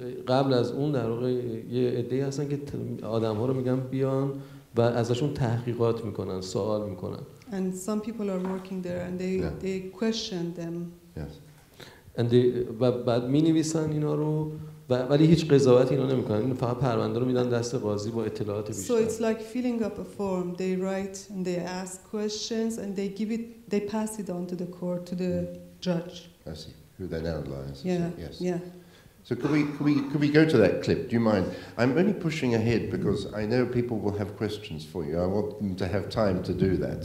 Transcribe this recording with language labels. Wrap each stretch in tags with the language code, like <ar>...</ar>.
<fa>قبل از اون در واقع یه عده‌ای هستن که آدم‌ها رو میگن بیان و ازشون تحقیقات میکنن، سوال میکنن.</fa> <en>And some people are working there, and they question them. Yes. And</en> <fa>بعد می نویسن اینا رو ولی هیچ قضاوتی اینا نمیکنن. فقط پرونده رو میدن دست قاضی با اطلاعات بیشتر.</fa> <en>So it's like filling up a form. They write and they ask questions and they give it. They pass it on to the court, to the judge. I see. Who then analyzes? Yeah. So could we go to that clip? Do you mind? I'm only pushing ahead because I know people will have questions for you. I want them to have time to do that.</en>